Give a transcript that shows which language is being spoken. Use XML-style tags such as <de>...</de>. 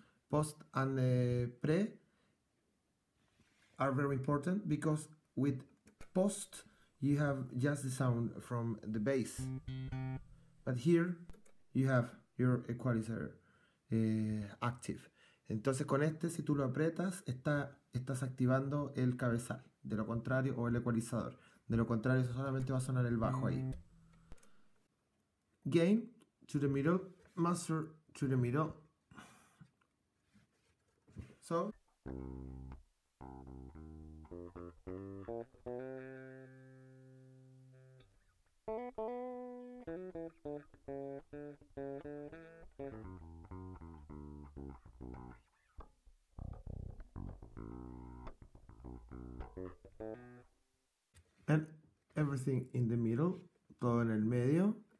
<en>Post and pre are very important because with post you have just the sound from the bass, but here you have your equalizer active.</en> <es>Entonces con este, si tú lo aprietas, estás activando el cabezal, de lo contrario, o el ecualizador, de lo contrario solamente va a sonar el bajo ahí.</es> <en>Gain to the middle, master to the middle. So and everything in the middle,</en> <es>todo en el medio.</es>